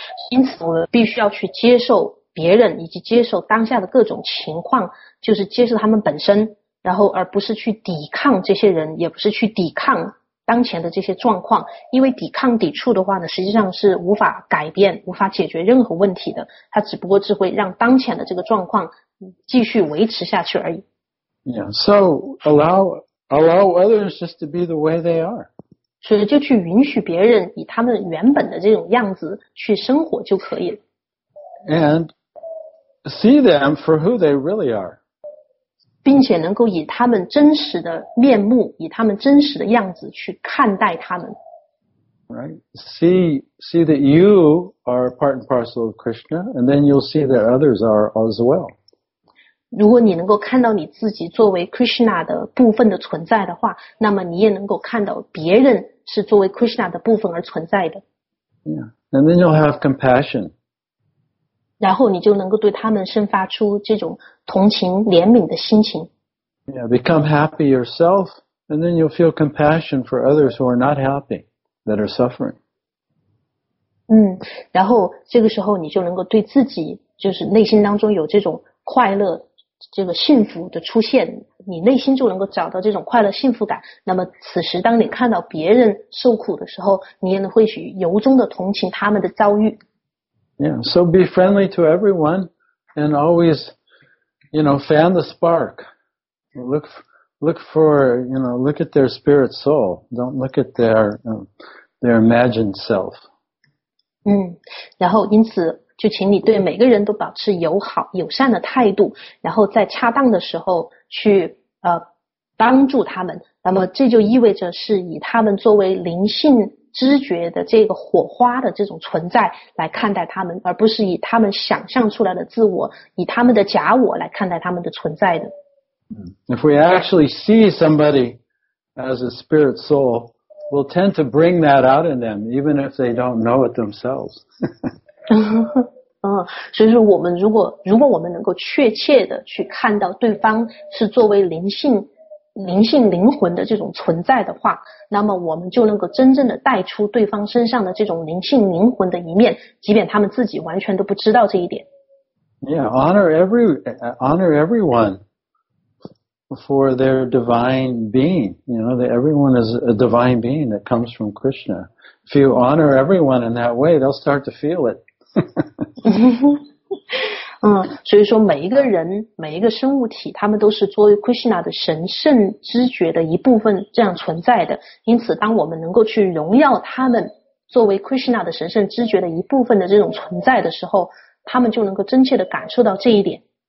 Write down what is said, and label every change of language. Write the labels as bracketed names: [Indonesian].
[Chinese] 因此我们必须要去接受别人以及接受当下的各种情况就是接受他们本身然后而不是去抵抗这些人也不是去抵抗当前的这些状况因为抵抗抵触的话呢实际上是无法改变无法解决任何问题的它只不过只会让当前的这个状况继续维持下去而已 [English] Yeah, so allow others just to be the way they are [Chinese] 所以就去允许别人以他们原本的这种样子去生活就可以了 [English] And see them for who they really are. [Chinese] 并且能够以他们真实的面目以他们真实的样子去看待他们。 [English] Right. See that you are part and parcel of Krishna, and then you'll see that others are as well. [Chinese] 如果你能够看到你自己作为 Krishna 的部分的存在的话那么你也能够看到别人是作为 Krishna 的部分而存在的。 [English] Yeah. And then you'll have compassion. [Chinese] 然后你就能够对他们生发出这种同情怜悯的心情。 [English] Yeah, become happy yourself, and then you'll feel compassion for others who are not happy, that are suffering. [Chinese] 然后这个时候你就能够对自己就是内心当中有这种快乐这个幸福的出现你内心就能够找到这种快乐幸福感那么此时当你看到别人受苦的时候你也能会去由衷的同情他们的遭遇。 [English] Yeah, so be friendly to everyone and always, you know, fan the spark. Look at their spirit soul. Don't look at their imagined self. [Chinese] 然后因此就请你对每个人都保持友好友善的态度然后在恰当的时候去帮助他们那么这就意味着是以他们作为灵性知觉的这个火花的这种存在来看待他们而不是以他们想象出来的自我以他们的假我来看待他们的存在的。 [English] If we actually see somebody as a spirit soul, we'll tend to bring that out in them, even if they don't know it themselves. [Chinese] 所以说我们如果我们能够确切的去看到对方是作为灵性灵魂的这种存在的话那么我们就能够真正的带出对方身上的这种灵性灵魂的一面即便他们自己完全都不知道这一点 [English] Yeah, honor everyone for their divine being you know, that everyone is a divine being that comes from Krishna if you honor everyone in that way they'll start to feel it [Chinese] 所以说每一个人每一个生物体他们都是作为 Krishna 的神圣知觉的一部分这样存在的因此当我们能够去荣耀他们作为 Krishna 的神圣知觉的一部分的这种存在的时候他们就能够真切的感受到这一点